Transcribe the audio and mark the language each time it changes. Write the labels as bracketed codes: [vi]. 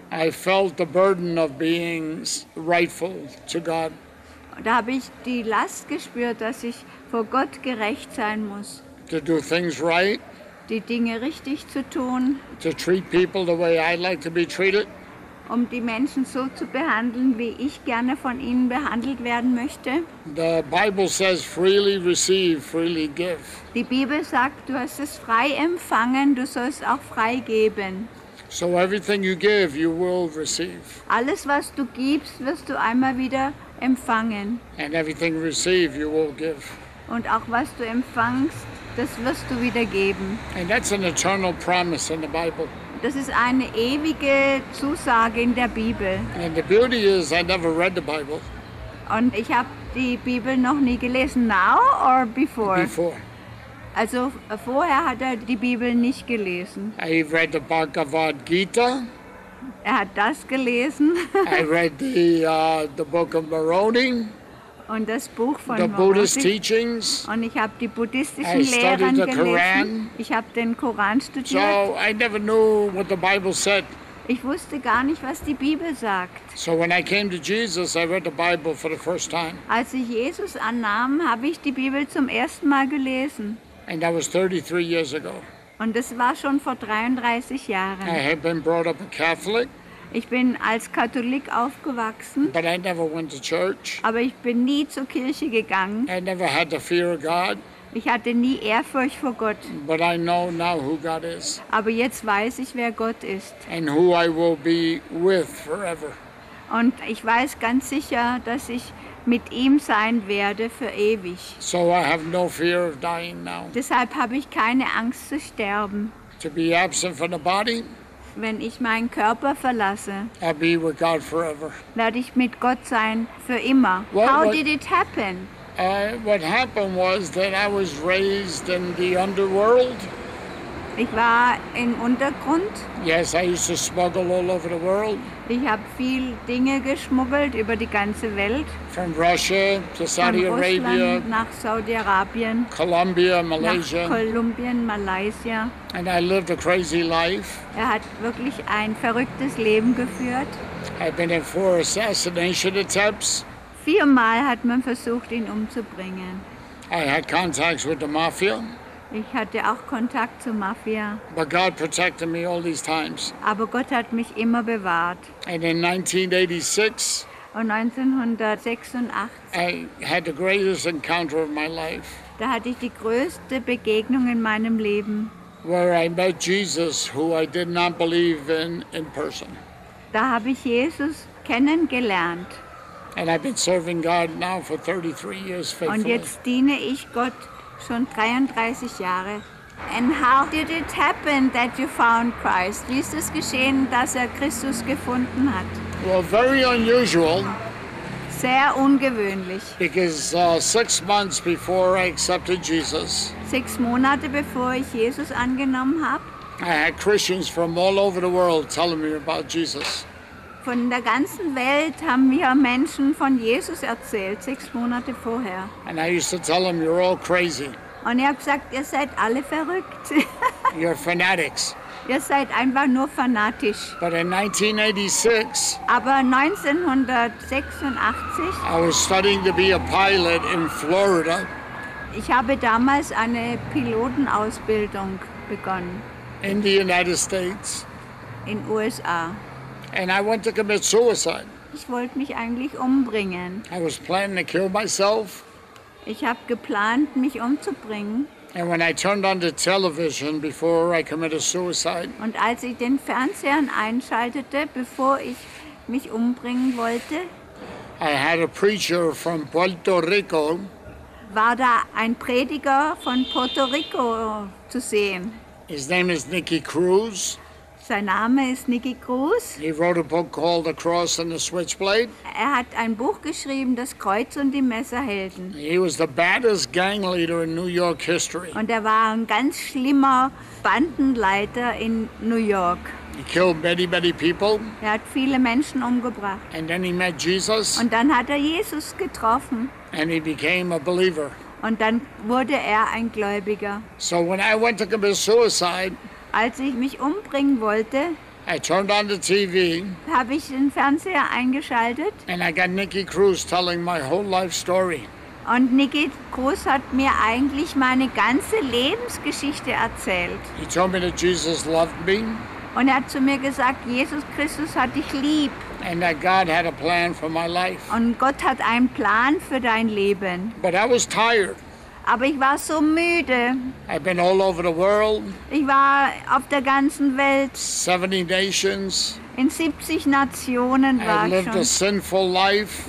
[en] I felt the burden of being rightful to God. [de] Da habe ich die Last gespürt, dass ich vor Gott gerecht sein muss. [en] To do things right. [de] Die Dinge richtig zu tun. [en] To treat people the way I like to be treated. [de] Um die Menschen so zu behandeln, wie ich gerne von ihnen behandelt werden möchte. [en] The Bible says freely receive, freely give. [de] Die Bibel sagt, du hast es frei empfangen, du sollst auch frei geben. [en] So everything you give, you will receive. [de] Alles, was du gibst, wirst du einmal wieder empfangen. [en] And everything you receive, you will give. [de] Und auch was du empfängst, das wirst du wieder geben. [en] And that's an eternal promise in the Bible. [de] Das ist eine ewige Zusage in der Bibel. [en] And the beauty is, I never read the Bible. [de] Und ich habe die Bibel noch nie gelesen. [en] Now or before? Before. [de] Also vorher hat er die Bibel nicht gelesen. [en] I read the Bhagavad Gita. [de] Er hat das gelesen. [en] I read the book of Moroni. [de] Und das Buch von [en] the Buddhist teachings. [de] Und ich habe die buddhistischen Lehren gelesen. Ich habe den Koran studiert. [en] So I never knew what the Bible said. [de] Ich wusste gar nicht, was die Bibel sagt. [en] So when I came to Jesus, I read the Bible for the first time. [de] Als ich Jesus annahm, habe ich die Bibel zum ersten Mal gelesen. [en] And that was 33 years ago. [de] Und das war schon vor 33 Jahren. [en] I had been brought up a Catholic. [de] Ich bin als Katholik aufgewachsen. [en] But I never went to church. [de] Aber ich bin nie zur Kirche gegangen. [en] I never had the fear of God. [de] Ich hatte nie Ehrfurcht vor Gott. [en] But I know now who God is. [de] Aber jetzt weiß ich, wer Gott ist. [en] And who I will be with forever. [de] Und ich weiß ganz sicher, dass ich mit ihm sein werde für ewig. [en] So I have no fear of dying now. [de] Deshalb habe ich keine Angst zu sterben. [en] To be absent from the body. [de] Wenn ich meinen Körper verlasse, [en] I'll be with God forever. [de] Werde ich mit Gott sein für immer. [en] How did it happen? What happened was that I was raised in the underworld. [de] Ich war im Untergrund. [en] Yes, I used to smuggle all over the world. [de] Ich habe viel Dinge geschmuggelt über die ganze Welt. [en] From Russia to Saudi Arabia. [de] Nach Saudi-Arabien. [en] Colombia, Malaysia. [de] Nach Kolumbien, Malaysia. [en] And I lived a crazy life. [de] Er hat wirklich ein verrücktes Leben geführt. [en] I've been in 4 assassination attempts. [de] 4-mal hat man versucht, ihn umzubringen. [en] I had contacts with the mafia. [de] Ich hatte auch Kontakt zur Mafia. [en] But God protected me all these times. [de] Aber Gott hat mich immer bewahrt. [en] And in 1986, [de] und 1986, [en] I had the greatest encounter of my life. [de] Da hatte ich die größte Begegnung in meinem Leben. [en] Where I met Jesus, who I did not believe in person. [de] Da habe ich Jesus kennengelernt. [en] And I've been serving God now for 33 years faithfully. [de] Und jetzt diene ich Gott schon 33 Jahre. [en] And how did it happen that you found Christ? [de] Wie ist es geschehen, dass er Christus gefunden hat? [en] Well, very unusual. [de] Sehr ungewöhnlich. [en] Because 6 months before I accepted Jesus. [de] 6 Monate bevor ich Jesus angenommen habe. [en] I had Christians from all over the world telling me about Jesus. [de] Von der ganzen Welt haben mir Menschen von Jesus erzählt, 6 Monate vorher. [en] And I used to tell them, you're all crazy. [de] Und ich habe gesagt, ihr seid alle verrückt. [en] You're fanatics. [de] Ihr seid einfach nur fanatisch. [en] But in 1986, [de] aber 1986, [en] I was studying to be a pilot in Florida. [de] Ich habe damals eine Pilotenausbildung begonnen. [en] In the United States. [de] In USA. [en] And I went to commit suicide. [de] Ich wollte mich eigentlich umbringen. [en] I was planning to kill myself. [de] Ich habe geplant, mich umzubringen. [en] And when I turned on the television before I committed suicide. [de] Und als ich den Fernseher einschaltete, bevor ich mich umbringen wollte, [en] I had a preacher from Puerto Rico. [de] War da ein Prediger von Puerto Rico zu sehen. [en] His name is Nicky Cruz. [de] Sein Name ist Nicky Cruz. [en] He wrote a book called The Cross and the Switchblade. [de] Er hat ein Buch geschrieben, Das Kreuz und die Messerhelden. [en] He was the baddest gang leader in New York history. [de] Und er war ein ganz schlimmer Bandenleiter in New York. [en] He killed many, many people. [de] Er hat viele Menschen umgebracht. [en] And then he met Jesus. [de] Und dann hat er Jesus getroffen. [en] And he became a believer. [de] Und dann wurde er ein Gläubiger. [en] So when I went to commit suicide, [de] als ich mich umbringen wollte, [en] I turned on the TV, [de] habe ich den Fernseher eingeschaltet. [en] And I got Nicky Cruz telling my whole life story. [de] Und Nicky Cruz hat mir eigentlich meine ganze Lebensgeschichte erzählt. [en] He told me that Jesus loved me. [de] Und er hat zu mir gesagt, Jesus Christus hat dich lieb. [en] And that God had a plan for my life. [de] Und Gott hat einen Plan für dein Leben. [en] But I was tired. [de] Aber ich war so müde. [en] I've been all over the world. [de] Ich war auf der ganzen Welt. [en] 70 nations. [de] In 70 Nationen war ich schon. [en] I lived a sinful life.